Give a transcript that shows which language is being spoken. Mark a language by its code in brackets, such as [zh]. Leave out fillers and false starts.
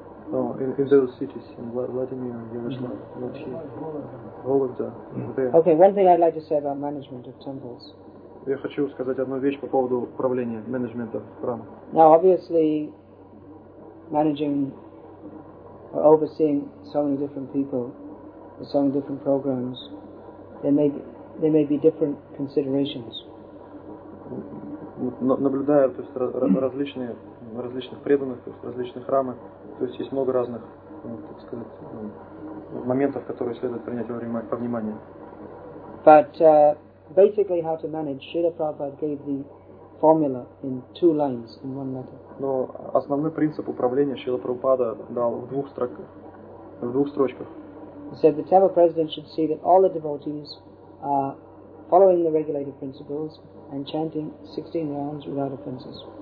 [en] No, in those cities, in Vladimir, Yaroslav, Vologda, there. Okay, one thing I'd like to say about management of temples. [ru] Я хочу сказать одну вещь по поводу управления, менеджмента храма. [en] Now, obviously, managing or overseeing so many different people, so many different programs, there may be different considerations. [ru] Наблюдая, то есть различных преданных, то есть различных храмов. То есть есть много разных, так сказать, моментов, которые следует принять во время по вниманию. [en] But basically how to manage, Srila Prabhupada gave the formula in two lines in one letter. [ru] Но основной принцип управления Шрила Прабхупада дал в двух строках, в двух строчках. [en] He said the temple president should see that all the devotees are following the regulated principles and chanting 16 rounds without offenses.